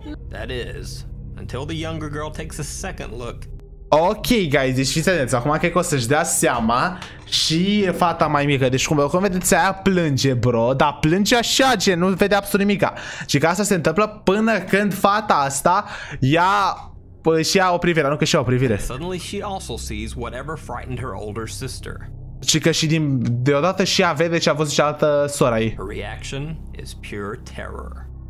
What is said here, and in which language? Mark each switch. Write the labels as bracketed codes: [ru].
[en] That is, until the younger girl takes a second look. [ro] Ok, guys, deci fiți atenți, acum cred că o să-și dea seama și fata mai mică. Deci cum vedeți, aia plânge, bro, dar plânge așa, gen, nu vede absolut nimica. Și că asta se întâmplă până când fata asta ia și ia o privire, nu că și ia o privire. [en] Suddenly she also sees whatever frightened her older sister. [ro] Și că și deodată și ea vede ce a văzut cealaltă sora ei. [en] Her reaction is pure terror.